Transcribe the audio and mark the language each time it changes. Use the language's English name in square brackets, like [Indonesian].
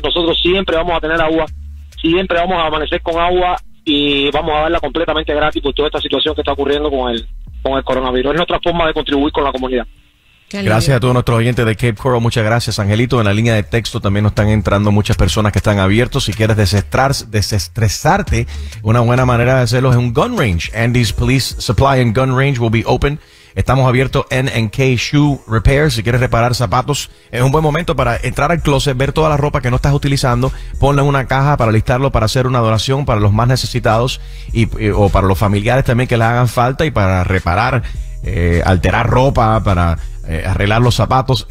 [Spanish] Nosotros siempre vamos a tener agua, siempre vamos a amanecer con agua y vamos a darla completamente gratis por toda esta situación que está ocurriendo con el coronavirus. Es nuestra forma de contribuir con la comunidad. Gracias a todos nuestros oyentes de Cape Coral. Muchas gracias, Angelito. En la línea de texto también nos están entrando muchas personas que están abiertos. Si quieres desestresarte, una buena manera de hacerlo es un gun range. [English] Andy's Police Supply and Gun Range will be open. [Spanish] Estamos abiertos en NK Shoe Repair. Si quieres reparar zapatos, es un buen momento para entrar al closet, ver toda la ropa que no estás utilizando, ponla en una caja para listarlo, para hacer una donación para los más necesitados o para los familiares también que les hagan falta, y para reparar, alterar ropa, para arreglar los zapatos.